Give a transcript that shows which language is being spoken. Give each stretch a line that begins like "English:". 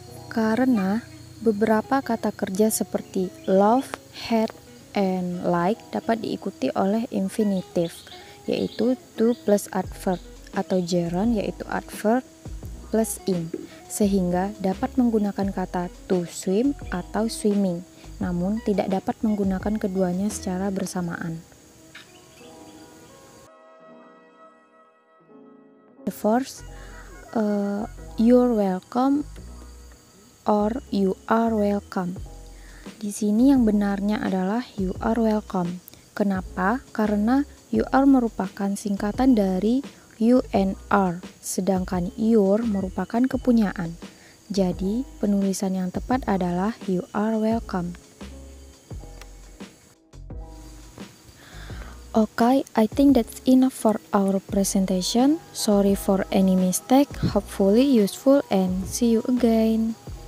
Indonesian: Karena beberapa kata kerja seperti love, hate, and like dapat diikuti oleh infinitive, yaitu to plus adverb, atau gerund, yaitu adverb plus ing, sehingga dapat menggunakan kata to swim atau swimming, namun tidak dapat menggunakan keduanya secara bersamaan.
English: The first, you're welcome or you are welcome.
Indonesian: Di sini yang benarnya adalah you are welcome. Kenapa? Karena you are merupakan singkatan dari you and are, sedangkan your merupakan kepunyaan. Jadi, penulisan yang tepat adalah you are welcome.
English: Okay, I think that's enough for our presentation. Sorry for any mistake. Hopefully useful, and see you again.